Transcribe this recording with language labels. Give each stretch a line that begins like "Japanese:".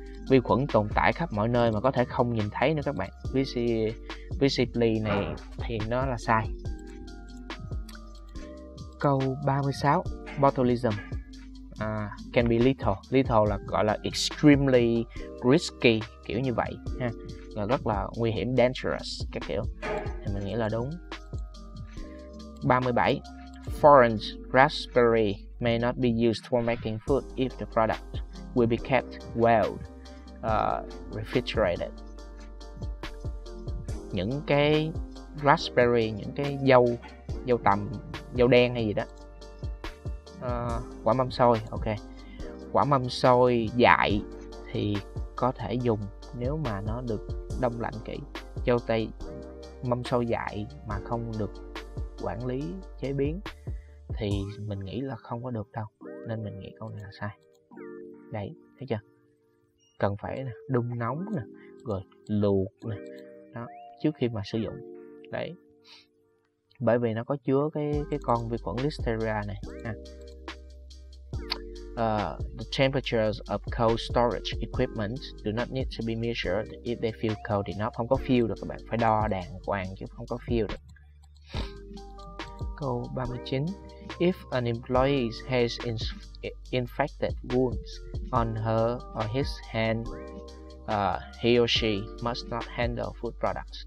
Vietnamese: Vi khuẩn tồn tại khắp mọi nơi mà có thể không nhìn thấy nữa các bạn. Visibly này thì nó là sai. Câu 36,
English: botulism can be lethal.
Vietnamese: Lethal là gọi là
English: extremely risky,
Vietnamese: kiểu như vậy ha, là rất là nguy hiểm, dangerous các kiểu, thì mình nghĩ là đúng.
English: 37, foreign raspberry may not be used for making food if the product will be kept well refrigerated.
Vietnamese: Những cái raspberry, những cái dâu tằm, dâu đen hay gì đó, quả mâm xôi, ok, quả mâm xôi dại thì có thể dùng nếu mà nó được đông lạnh kỹ. Dâu tây, mâm xôi dại mà không được quản lý chế biến thì mình nghĩ là không có được đâu, nên mình nghĩ câu này là sai. Đấy, thấy chưa, cần phải đun nóng nè, rồi luộc nè đó, trước khi mà sử dụng. Đấy, bởi vì nó có chứa cái con vi khuẩn Listeria này ha.
English: The temperatures of cold storage equipment do not need to be measured if they feel cold enough.
Vietnamese: Không có feel được các bạn, phải đo đàng hoàng chứ không có feel được. Câu 39,
English: if an employee has infected wounds on her or his hand, he or she must not handle food products.